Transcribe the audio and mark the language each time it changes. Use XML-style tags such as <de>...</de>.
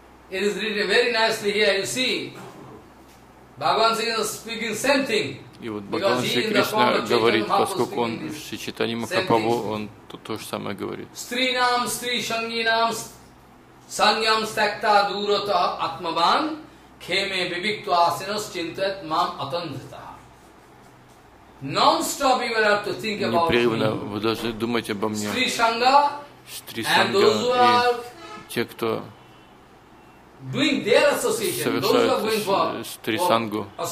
<en>It is written very nicely here, you see. Bhagavan Singh is speaking same thing.</en> <ru>И вот Бхагаван Шри Кришна говорит, поскольку он в Шри Чайтанья Махапрабху, он то же самое говорит.</ru> <sa>Стринам, стри шангинам, саньям стакта дурата атмабан, кхеме бибикту асинас чинтат мам атандхита.</sa> <en>Non-stop you will have to think about me.</en> <ru>Непрерывно вы должны думать обо мне. Стри шанга, стри шанга и те, кто совершают стри шангу.</ru>